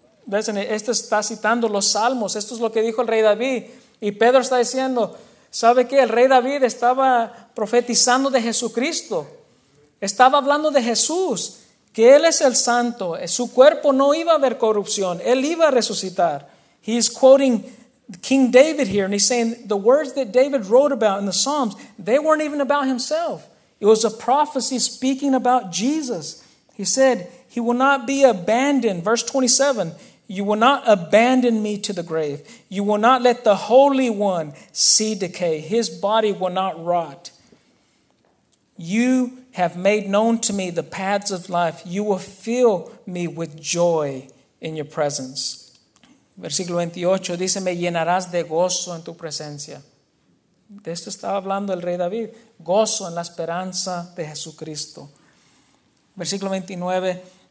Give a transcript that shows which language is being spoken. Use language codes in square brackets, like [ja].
[es] Listen, este está citando los salmos. Esto es lo que dijo el rey David. Y Pedro está diciendo, ¿sabe qué? El rey David estaba profetizando de Jesucristo. Estaba hablando de Jesús, que Él es el santo. Su cuerpo no iba a haber corrupción. Él iba a resucitar. [en] He's quoting King David here, and he's saying the words that David wrote about in the Psalms, they weren't even about himself. It was a prophecy speaking about Jesus. He said, he will not be abandoned. Verse 27, you will not abandon me to the grave. You will not let the Holy One see decay. His body will not rot. You have made known to me the paths of life. You will fill me with joy in your presence. [es] Versículo 28 dice, me llenarás de gozo en tu presencia. De esto estaba hablando el rey David. Gozo en la esperanza de Jesucristo. Versículo 29.